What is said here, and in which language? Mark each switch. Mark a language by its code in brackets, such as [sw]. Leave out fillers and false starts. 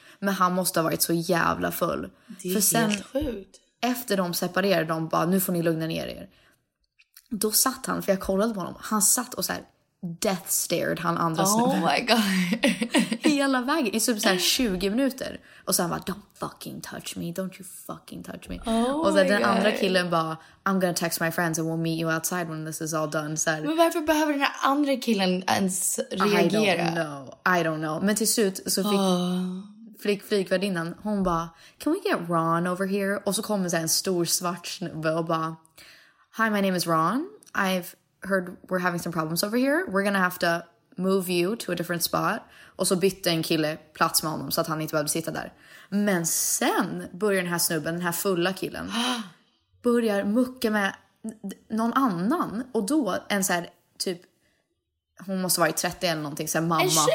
[sv] Men han måste ha varit så jävla full. Det är för sen, helt sjukt. Efter de separerade, de bara, nu får ni lugna ner er. Då satt han, för jag kollade på honom, han satt och så här [en] death stared [sv] han andra snubben. [en] Oh my god. [sv] Hela vägen, i typ så här 20 minuter. Och sen bara, [en] don't fucking touch me, don't you fucking touch me. Oh [sv] och så här, den [en] god. [sv] Andra killen bara, [en] I'm gonna text my friends and we'll meet you outside when this is all done. [sv] Så här, men varför behöver den här andra killen ens reagera? [en] I don't know. [sv] Men till slut så fick... [en] Oh. [sv] Flygvärdinnan, hon bara, [en] can we get Ron over here? [sv] Och så kommer en stor svart snubbe och bara, [en] hi, my name is Ron. I've heard we're having some problems over here. We're gonna have to move you to a different spot. [sv] Och så bytte en kille plats med honom så att han inte behövde sitta där. Men sen börjar den här snubben, den här fulla killen, börjar mucka med någon annan. Och då en så här typ, hon måste vara i 30 eller någonting, så här, mamma.